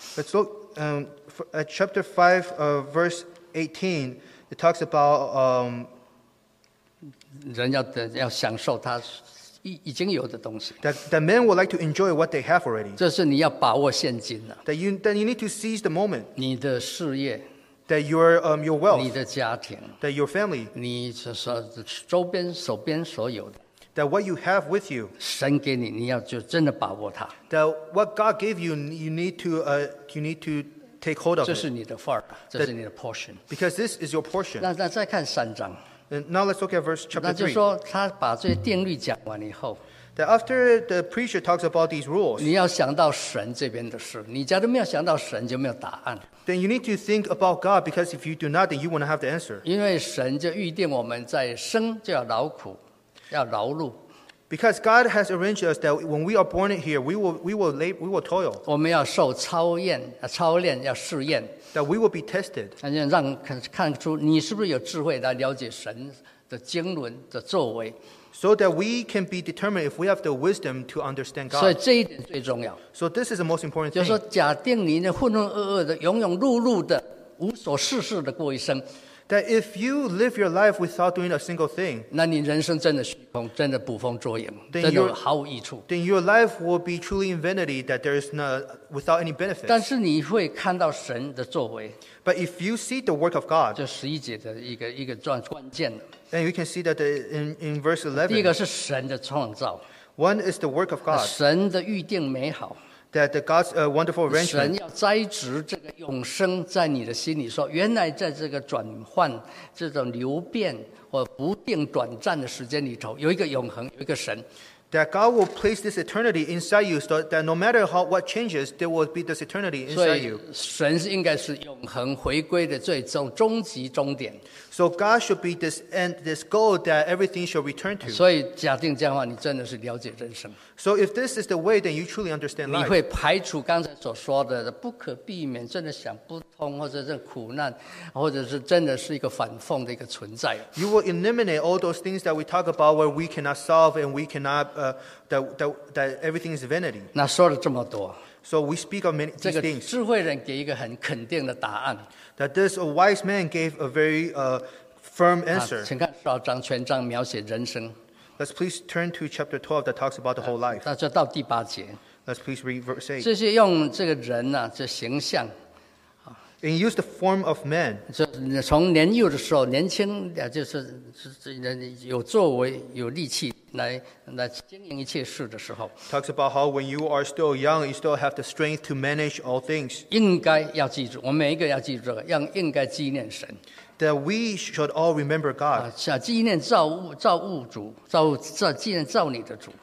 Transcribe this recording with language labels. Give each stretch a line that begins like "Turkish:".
English: Let's look at chapter 5, verse 18. It talks about
Chinese: 人要享受他已经有的东西。
English: That men would like to enjoy what they have already.
Chinese: 这是你要把握现今的。
English: That you need to seize the moment.
Chinese: 你的事业。
English: That your wealth.
Chinese: 你的家庭。
English: That your family.
Chinese: 你所周边手边所有的。
English: That what you have with you.
Chinese: 神给你，你要就真的把握它。
English: That what God gave you, you need to take hold of it.
Chinese: 这是你的份儿，这是你的 portion.
English: Because this is your portion.
Chinese: 那再看三章。
English: And now let's look at verse chapter 3.
Chinese: 那就说他把这些定律讲完以后。
English: That after the preacher talks about these rules.
Chinese: 你要想到神这边的事，你假如没有想到神，就没有答案。
English: Then you need to think about God, because if you do not, then you won't have the answer.
Chinese: 因为神就预定我们在生就要劳苦，要劳碌。
English: Because God has arranged us that when we are born here, we will toil.
Chinese: 我们要受操验，操练要试验。
English: That we will be tested.
Chinese: 让看出你是不是有智慧来了解神的经纶的作为。
English: So that we can be determined if we have the wisdom to understand God.
Chinese: 所以这一点最重要。
English: So this is the most important thing.
Chinese: 就是说，假定你那浑浑噩噩的、庸庸碌碌的、无所事事的过一生。
English: That if you live your life without doing a single thing,
Chinese: 那你人生真的虚空，真的捕风捉影，真的毫无益处。
English: Then your life will be truly in vanity, that there is not without any benefit.
Chinese: 但是你会看到神的作为。
English: But if you see the work of God,
Chinese: 这十一节的一个关键的。
English: Then you can see that in verse 11,
Chinese: 第一个是神的创造。
English: One is the work of God.
Chinese: 神的预定美好。
English: That the God's wonderful arrangement.
Chinese: 神要栽植这个永生在你的心里，说原来在这个转换、这种流变或不定转暂的时间里头，有一个永恒，有一个神。
English: That God will place this eternity inside you, so that no matter what changes, there will be this eternity inside you.
Chinese: 所以神是应该是永恒回归的最终终极终点。
English: So God should be this end, this goal that everything shall return to.
Chinese: 所以假定这样的话，你真的是了解人生。
English: So if this is the way, then you truly understand life.
Chinese: 你会排除刚才所说的不可避免，真的想不通，或者是苦难，或者是真的是一个反讽的一个存在。
English: You will eliminate all those things that we talk about where we cannot solve and we cannot that everything is vanity.
Chinese: 那说了这么多。
English: So we speak of many these things.
Chinese: 这个智慧人给一个很肯定的答案。
English: That this wise man gave a very firm answer.
Chinese: 请看十二章全章描写人生。
English: Let's please turn to chapter 12 that talks about the whole life.
Chinese: 那就到第八节。
English: Let's please read verse 8.
Chinese: 这些用这个人呢，这形象。
English: And use the form of man.
Chinese: 就从年幼的时候，年轻就是有作为、有力气来经营一切事的时候。
English: Talks about how when you are still young, you still have the strength to manage all things.
Chinese: 应该要记住，我们每一个要记住，要应该纪念神。
English: That we should all remember God.
Chinese: 纪念造物主，纪念造你的主。